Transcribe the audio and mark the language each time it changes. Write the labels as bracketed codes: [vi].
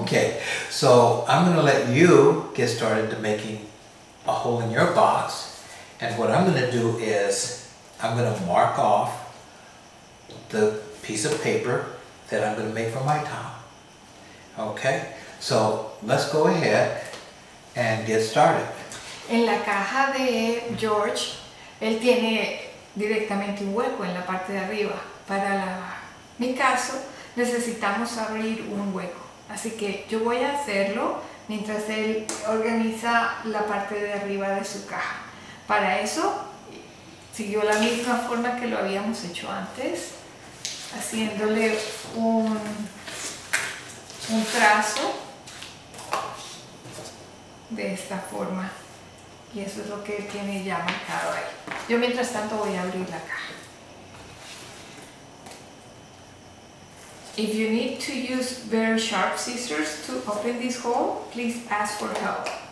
[en] Okay, so I'm going to let you get started to making a hole in your box. And what I'm going to do is I'm going to mark off the piece of paper that I'm going to make for my top. Okay, so let's go ahead and get started. [es] En la caja de George, él tiene directamente un hueco en la parte de arriba. Para la, mi caso, necesitamos abrir un hueco. Así que yo voy a hacerlo mientras él organiza la parte de arriba de su caja. Para eso, siguió la misma forma que lo habíamos hecho antes, haciéndole un trazo de esta forma, y eso es lo que tiene ya marcado ahí. Yo mientras tanto voy a abrir la caja. [en] If you need to use very sharp scissors to open this hole, please ask for help.